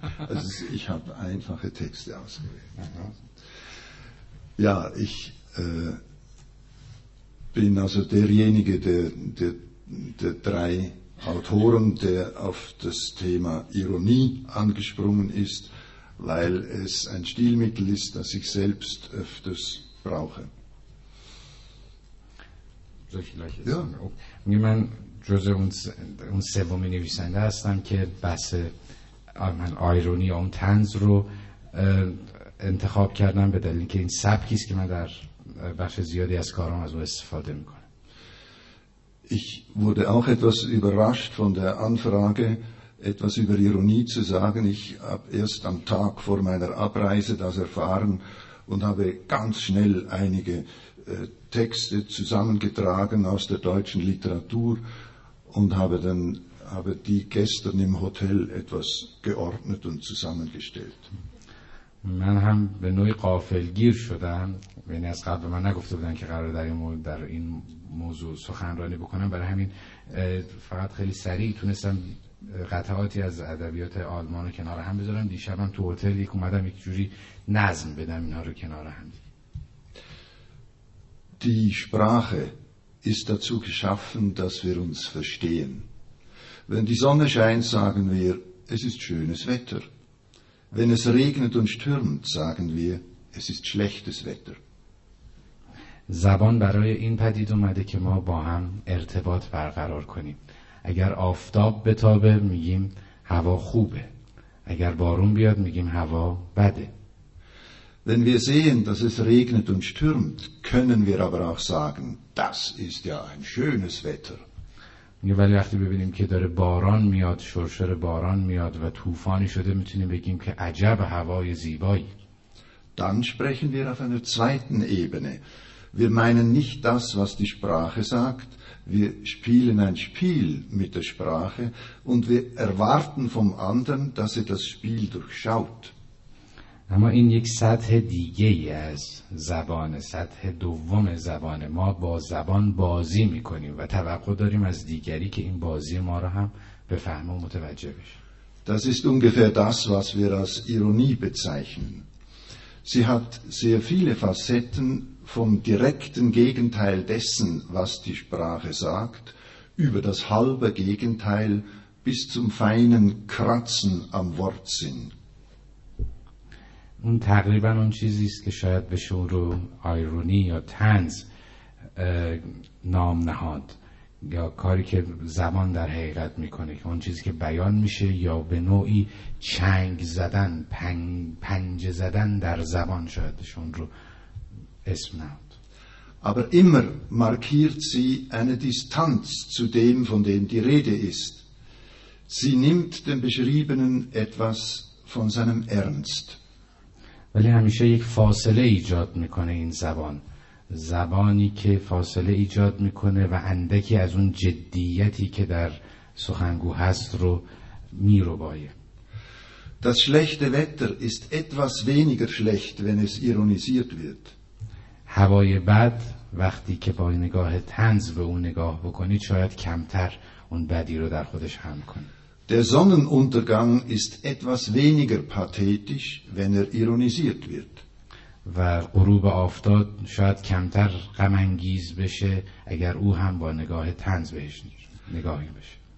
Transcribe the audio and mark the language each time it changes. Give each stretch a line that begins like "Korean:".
German: Also ich habe einfache Texte ausgewählt. Ja, ich bin also derjenige, der drei Autoren, der auf das Thema Ironie angesprungen ist, weil es ein Stilmittel ist, das ich selbst öfters brauche. Soll ich gleich sagen? Ja.
Persian: جزء اون سومی نویسنده هستم که بس آیرونی یا اون طنز رو انتخاب کردم به دلیل که این سبکیست که من در بخش زیادی از کارام از او استفاده میکنم.
German: Ich wurde auch etwas überrascht von der Anfrage, etwas über Ironie zu sagen. Ich habe erst am Tag vor meiner Abreise das erfahren und habe ganz schnell einige Texte zusammengetragen aus der deutschen Literatur und habe die gestern im Hotel etwas geordnet und zusammengestellt.
Persian: من هم به نوعی غافلگیر شدم، یعنی از قبل من نگفته بودن که قرار در این موضوع سخنرانی بکنم، برای همین فقط خیلی سریع تونستم قطعاتی از ادبیات آلمان رو کنار هم بذارم. دیشب هم تو هتل یک اومدم یک جوری نظم بدم اینا رو کنار هم.
German: Die Sprache ist dazu geschaffen, dass wir uns verstehen. Wenn die Sonne scheint, sagen wir, es ist schönes Wetter. Wenn es regnet und stürmt, sagen wir, es ist schlechtes Wetter.
Persian: زبان برای این پدید اومده که ما با هم ارتباط برقرار کنیم. اگر آفتاب بتابه میگیم هوا خوبه. اگر بارون بیاد میگیم هوا بده.
German: Wenn wir sehen, dass es regnet und stürmt, können wir aber auch sagen, das ist ja ein schönes Wetter. Wenn wir sehen, dass es regnet und stürmt, können wir aber auch sagen, das ist ja ein schönes Wetter. Dann sprechen wir auf einer zweiten Ebene. Wir meinen nicht das, was die Sprache sagt. Wir spielen ein Spiel mit der Sprache und wir erwarten vom anderen, dass er das Spiel durchschaut.
Persian: اما این یک سطح دیگه ای از زبان، سطح دوم زبان. ما با زبان بازی میکنیم و توقع داریم از دیگری که این بازی ما را هم به فهم و متوجه بشه.
German: Das ist ungefähr das, was wir als Ironie bezeichnen. Sie hat sehr viele Facetten vom direkten Gegenteil dessen, was die Sprache sagt, über das halbe Gegenteil bis zum feinen Kratzen am Wortsinn.
Persian: اون تقریبا اون چیزی است که شاید بشه اون رو آیرونی یا طنز نام نهاد، یا کاری که زبان در حقیقت میکنه، که اون چیزی که بیان میشه یا به نوعی چنگ زدن، پنجه زدن در زبان، شاید بشه اون رو اسم نهاد.
German: Aber immer markiert sie eine Distanz zu dem, von dem die Rede ist. Sie nimmt dem Beschriebenen etwas von seinem Ernst.
Persian: ولی همیشه یک فاصله ایجاد میکنه این زبان، زبانی که فاصله ایجاد میکنه و اندکی از اون جدیتی که در سخنگو هست رو میربایه.
German: Das schlechte Wetter ist etwas weniger schlecht, wenn es ironisiert wird.
Persian: هوای بد وقتی که با نگاه طنز به اون نگاه بکنید شاید کمتر اون بدی رو در خودش حمل کنه.
German: Der Sonnenuntergang ist etwas weniger pathetisch, wenn er ironisiert wird.
Persian: و غروب آفتاب شاید کمتر غم انگیز بشه اگر او هم با نگاه طنز بهش نگاهی بشه.